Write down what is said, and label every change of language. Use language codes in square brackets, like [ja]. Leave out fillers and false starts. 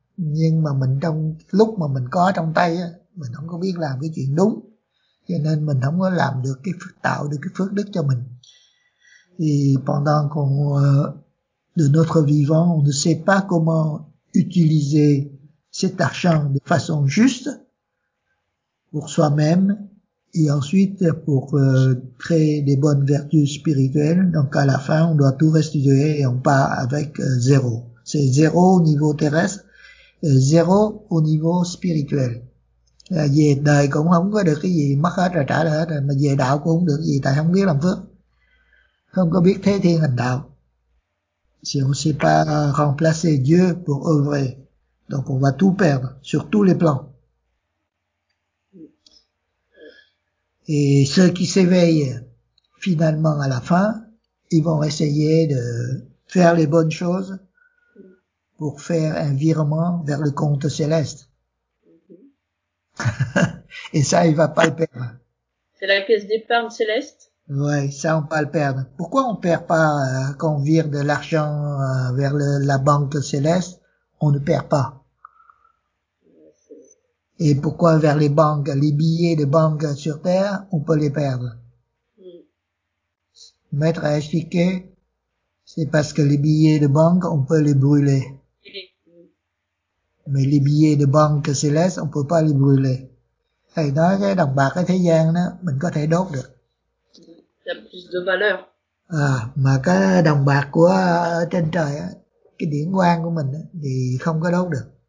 [vi] Nhưng mà mình trong lúc mà mình có trong tay á, mình không có biết làm cái chuyện đúng. Cho nên mình không có làm được cái, tạo được cái phước đức cho mình. [fr] Thì pendant qu'on de notre vivant, on ne sait pas comment utiliser cet argent de façon juste pour soi-même et ensuite pour créer des bonnes vertus spirituelles. Donc à la fin, on doit tout restituer et on part avec zéro. C'est zéro au niveau terrestre, zéro au niveau spirituel. [vi] Về đời cũng không có được cái gì, mất hết rồi trả lại hết rồi, mà về đạo cũng không được gì, tại không biết làm phước, không có biết thế thiên hành đạo. [fr] Si on ne sait pas remplacer Dieu pour œuvrer, donc on va tout perdre sur tous les plans. Et ceux qui s'éveillent finalement à la fin, ils vont essayer de faire les bonnes choses pour faire un virement vers le compte céleste. Et ça, il va pas le perdre. C'est la caisse d'épargne céleste. Ouais, ça on va le perdre. Pourquoi on perd pas quand on vire de l'argent vers la banque céleste, on ne perd pas. Et pourquoi vers les banques, les billets de banque sur terre, on peut les perdre. Mm. Maître a expliqué, c'est parce que les billets de banque, on peut les brûler. Mais les billets de banque céleste, on peut pas les brûler. [vi] Thầy nói cái đồng bạc ở thế gian đó, mình có thể đốt được. [fr] plus de valeur. [vi] À, mà cái đồng bạc của ở trên trời, cái điển quang của mình thì không có đốt được.